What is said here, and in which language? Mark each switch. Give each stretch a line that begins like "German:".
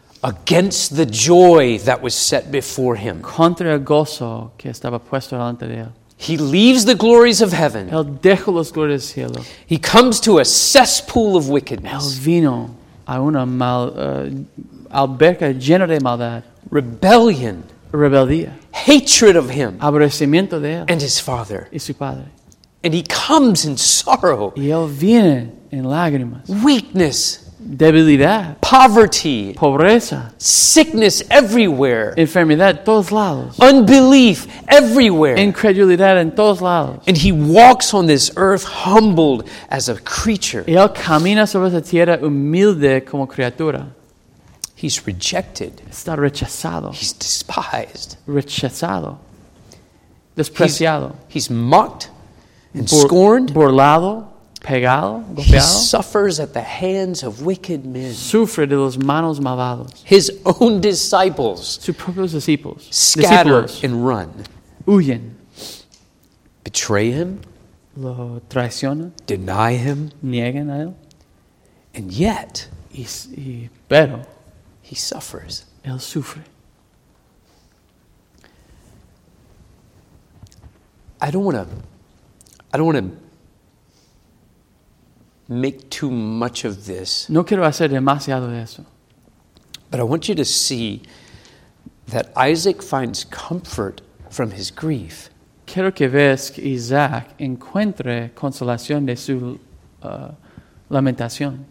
English: Against the joy that was set before him.
Spanish: Contra el gozo que estaba puesto delante de él.
English: He leaves the glories of heaven.
Spanish: Él dejó las glorias del cielo.
English: He comes to a cesspool of wickedness.
Spanish: Él vino a una alberca llena de maldad.
English: Rebellion.
Spanish: Rebeldía.
English: Hatred of him.
Spanish: Aborrecimiento de él.
English: And his father.
Spanish: Y su padre.
English: And he comes in sorrow.
Spanish: Y él viene en lágrimas.
English: Weakness.
Spanish: Debilidad.
English: Poverty.
Spanish: Pobreza.
English: Sickness everywhere.
Spanish: Enfermedad en todos lados.
English: Unbelief everywhere.
Spanish: Incredulidad en todos lados.
English: And he walks on this earth humbled as a creature.
Spanish: Y él camina sobre esta tierra humilde como criatura.
English: He's rejected.
Spanish: Está rechazado.
English: He's despised.
Spanish: Rechazado. Despreciado.
English: He's mocked and scorned.
Spanish: Burlado. Pegado. Golpeado.
English: He suffers at the hands of wicked men.
Spanish: Sufre de las manos malvados.
English: His own disciples.
Spanish: Sus propios discípulos.
English: Scatter and run.
Spanish: Huyen.
English: Betray him.
Spanish: Lo traicionan.
English: Deny him.
Spanish: Niegan a él.
English: And yet.
Spanish: Pero.
English: He suffers.
Spanish: Él sufre.
English: I don't want to make too much of this.
Spanish: No quiero hacer demasiado de eso.
English: But I want you to see that Isaac finds comfort from his grief.
Spanish: Quiero que veas que Isaac encuentre consolación de su lamentación.